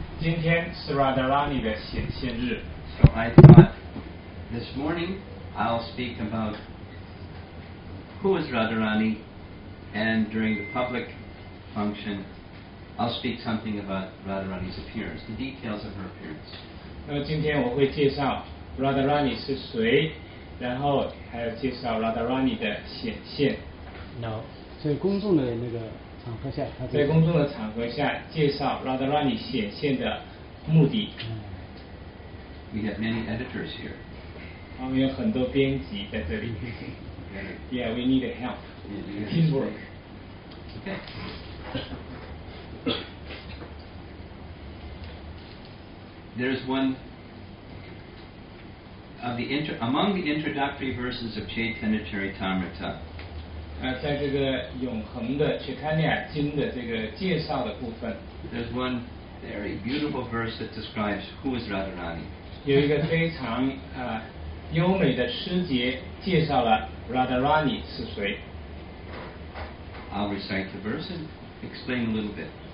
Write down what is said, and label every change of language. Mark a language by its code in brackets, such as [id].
[zh] 今天是 Radharani 的显现日。 [en] So I thought this morning I'll speak about who is Radharani, and during the public function I'll speak something about Radharani's appearance, the details of her appearance. [zh] 那么今天我会介绍 Radharani 是谁, 然后还有介绍 Radharani 的显现。 [en] No. [zh] 在公众的那个场合下, 在公众的场合下介绍 Radharani 显现的目的。 [en] We have many editors here. [zh] 我们有很多编辑在这里。 [en] Yeah, we need help. Teamwork. Okay. There's one of the among the introductory verses of Chaitanya Charitamrita. [zh] 在这个永恒的Chaitanya经的这个介绍的部分, [en] there's one very beautiful verse that describes who is Radharani. [zh] 有一个非常优美的诗节介绍了Radharani是谁. [en] I'll recite the verse and explain a little bit.